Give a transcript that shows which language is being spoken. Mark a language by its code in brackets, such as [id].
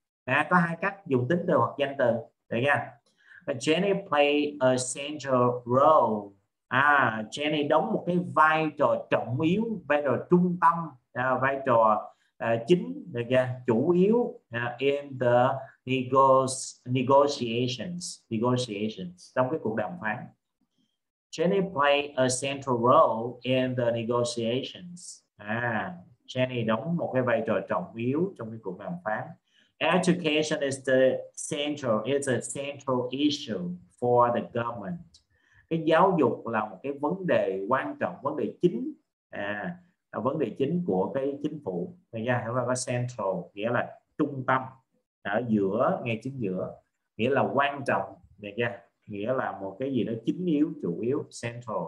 [vi] Có hai cách dùng tính từ hoặc danh từ. Được nha. [en] Jenny play a central role. [vi] Jenny đóng một cái vai trò trọng yếu, vai trò trung tâm, vai trò chính, được chưa? Chủ yếu, [en] in the negotiations, [vi] trong cái cuộc đàm phán. [en] Jenny play a central role in the negotiations. [vi] Jenny đóng một cái vai trò trọng yếu trong cái cuộc đàm phán. [en] Education is a central issue for the government. [vi] Cái giáo dục là một cái vấn đề quan trọng, vấn đề chính, là vấn đề chính của cái chính phủ. Thì ra chúng ta có central nghĩa là trung tâm, ở giữa, ngay chính giữa, nghĩa là quan trọng, này ra nghĩa là một cái gì đó chính yếu, chủ yếu, central.